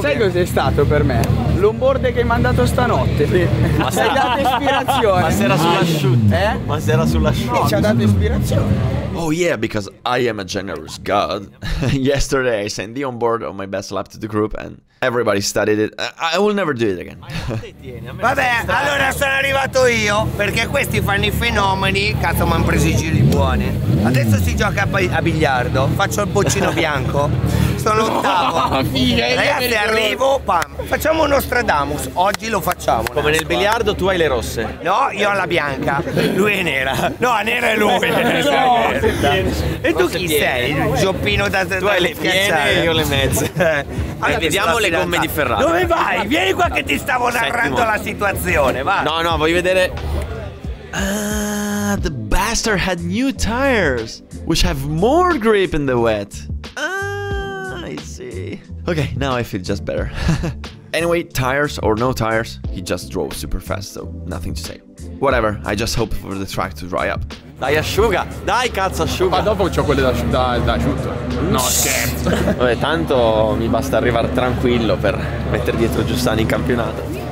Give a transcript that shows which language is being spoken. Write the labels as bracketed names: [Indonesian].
[Italian] Sai cos'è stato per me? L'onboard che hai mandato stanotte. Ma si è dato ispirazione. Ma sera sull'asciutto. Eh? Ma sera sull'asciutto. No, ci ha dato ispirazione. [English] Oh yeah, because I am a generous god. Yesterday I sent the onboard of my best lap to the group and everybody studied it. I will never do it again. [Italian] Vabbè, allora sono arrivato io perché questi fanno I fenomeni, cazzo mi hanno preso I giri buoni. Adesso si gioca a biliardo, faccio il boccino bianco, sono ottavo. Ragazzi, arrivo, pam. Facciamo uno Stradamus, oggi lo facciamo. Come nel biliardo tu hai le rosse. No, io ho la bianca, lui è nera. No, nera è lui. No. E tu chi sei? Il gioppino da tu hai le piene e io le mezze. Allora, vediamo le gomme di Ferrari. Dove vai? Vieni qua che ti stavo narrando la situazione. Va. No, no, voglio vedere. [English] The bastard had new tires, which have more grip in the wet. I see. Okay, now I feel just better. Anyway, tires or no tires, he just drove super fast, so nothing to say. Whatever, I just hope for the track to dry up. [Italian] Dai, asciuga! Dai, cazzo, asciuga! Ma dopo c'ho quelle da asciutto. No, scherzo! Vabbè, tanto mi basta arrivare tranquillo per mettere dietro Giustani in campionato.